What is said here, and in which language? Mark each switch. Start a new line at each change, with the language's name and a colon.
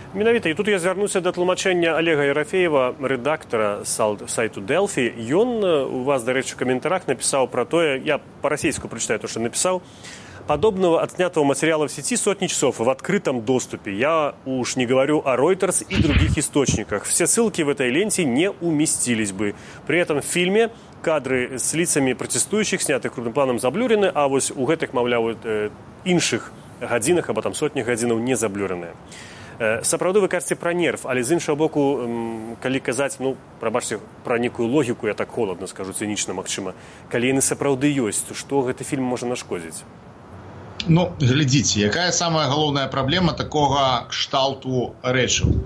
Belarusian: Менавіта, і тут я звярнуся да тлумачэння Алега Ерафеева, рэдактара сайту «Делфі». Ён у вас, дарэчы, у каментарах напісаў пра тое, я па-расійску прачытаю то, што напісаў,
Russian: подобного отснятого материала в сети сотни часов в открытом доступе. Я уж не говорю о Reuters и других источниках. Все ссылки в этой ленте не уместились бы. При этом в фильме кадры с лицами протестующих, снятых крупным планом, заблюрены,
Belarusian: а вот у гэтых, мавляв, інших годинах, або там сотнях годинов, не заблюрены. Сапраўды, вы кажаце пра нерв, але з іншого боку, калі казаць, ну, прабачце, пра некую логіку, я так холодна скажу, цынічна, магчыма, калі яны сапраўды ёсць, што гэты фільм можа нашкодзіць? Ну, глядзіце, якая самая галоўная праблема такога кшталту рэчаў?